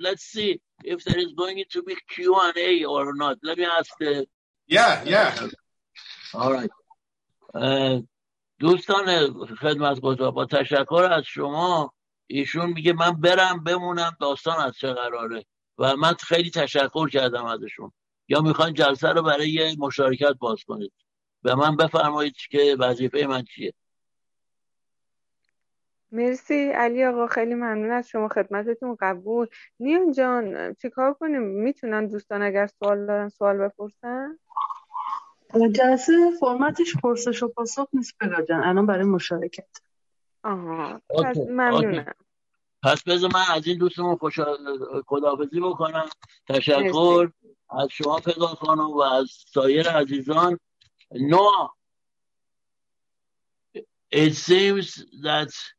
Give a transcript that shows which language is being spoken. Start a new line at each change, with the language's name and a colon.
English: Let's see if there is going to be Q&A or not. Let me ask the... Yeah. All right.
Persian: دوستان خدمت گذار، با تشکر از شما، ایشون میگه من برم بمونم داستان از چه قراره و من خیلی تشکر کردم ازشون. یا میخوان جلسه رو برای مشارکت باز کنید به من بفرمایید که وظیفه من چیه. مرسی علی آقا، خیلی ممنون از شما، خدمتتون قبول. نیون جان چیکار کنیم؟ میتونن دوستان اگر سوال دارن سوال بپرسن؟ جلسه فرمتش پرسش و پاسخ نیست پگاجان، الان برای مشارکت. ممنونم. پس بذار من از این دوستمون خداحافظی بکنم. تشکر مرسی. از شما پگاه خانم و از سایر عزیزان.
English: نوا، it seems that